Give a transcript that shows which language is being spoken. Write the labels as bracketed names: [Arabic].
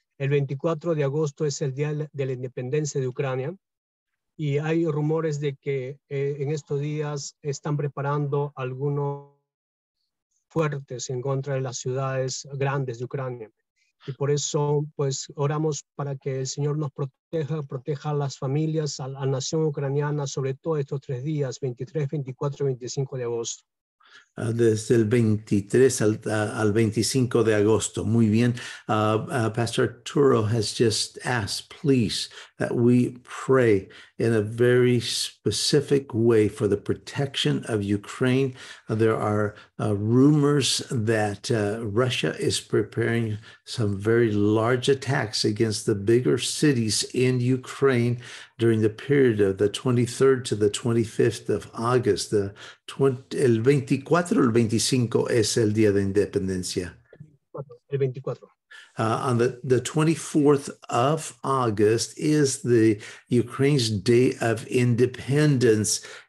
[Spanish] El 24 de agosto es el día de la independencia de Ucrania y hay rumores de que en estos días están preparando algunos fuertes en contra de las ciudades grandes de Ucrania. Y por eso, pues, oramos para que el Señor nos proteja, proteja a las familias, a la nación ucraniana, sobre todo estos tres días, 23, 24 y 25 de agosto. Desde el 23 al 25 de agosto. Muy bien. [English] Pastor Arturo has just asked, please, that we pray in a very specific way for the protection of Ukraine. There are rumors that Russia is preparing some very large attacks against the bigger cities in Ukraine during the period of the 23rd to the 25th of August. [Spanish] El 24 o el 25 es el día de independencia. El 24. [English] On the 24th of August is the Ukraine's Day of Independence.